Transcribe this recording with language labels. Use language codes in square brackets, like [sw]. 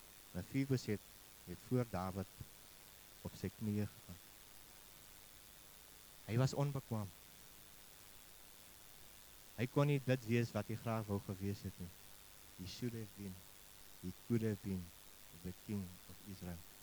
[af] Mefiboset het voor Dawid op sy knieë gegaan. Hy was onbekwaam. Hy kon nie dit wees wat hy graag wou gewees het nie. [en] He should have been, he could have been the king of Israel.